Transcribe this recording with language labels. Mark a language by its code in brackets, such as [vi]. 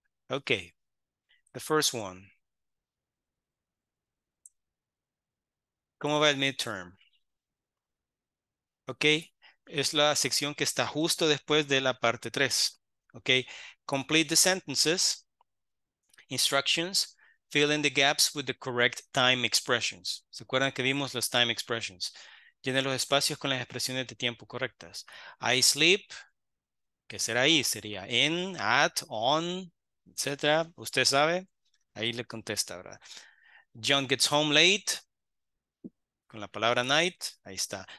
[en] Okay. The first one. [es] ¿Cómo va el midterm? Okay. Es la sección que está justo después de la parte 3. [en] Okay, complete the sentences, instructions, fill in the gaps with the correct time expressions. [es] ¿Se acuerdan que vimos los time expressions? Llene los espacios con las expresiones de tiempo correctas. I sleep, ¿qué será ahí? Sería in, at, on, etc. Usted sabe, ahí le contesta, ¿verdad? [en] John gets home late, [es] con la palabra night, ahí está.